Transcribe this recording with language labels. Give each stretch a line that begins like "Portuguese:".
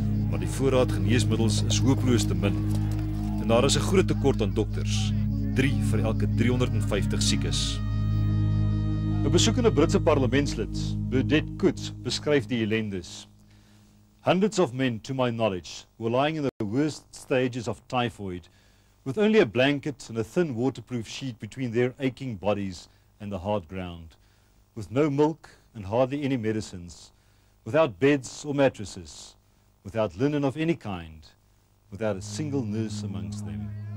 Afrikaans: Maar die voorraad geneesmiddels is hooploos te min. En daar is 'n groot tekort aan dokters, 3 vir elke 350 siekes. 'n Besoekende Britse parlementslid, Burdette Coutts, beskryf die ellendes.
English: Hundreds of men, to my knowledge, were lying in the worst stages of typhoid, with only a blanket and a thin waterproof sheet between their aching bodies and the hard ground, with no milk and hardly any medicines, without beds or mattresses, without linen of any kind, without a single nurse amongst them.